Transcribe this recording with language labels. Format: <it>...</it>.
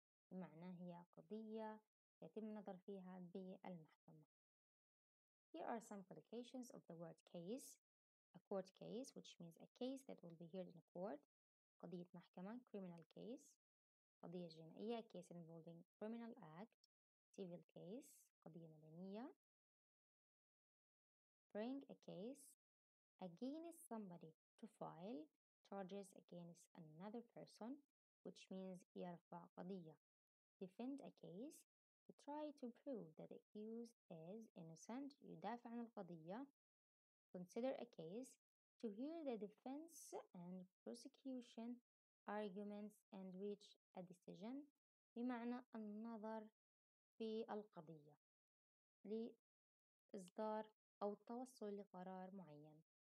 <ar>معنى هي قضية يتم النظر فيها بالمحكمة.</ar> <en>Here are some qualifications of the word case. A court case, which means a case that will be heard in a court.</en> <ar>قضية محكمة,</ar> <en>criminal case.</en> <ar>قضية جنائية,</ar> <en>case involving criminal act. Civil case,</en> <ar>قضية مدنية.</ar> <en>Bring a case against somebody. To file charges against another person, which means</en> <ar>يرفع قضية.</ar> <en>Defend a case. You try to prove that the accused is innocent.</en> <ar>يدافع عن القضية.</ar> <en>Consider a case. To hear the defense and prosecution arguments and reach a decision.</en> <ar>بمعنى النظر في القضية لإصدار أو التوصل لقرار معين.</ar>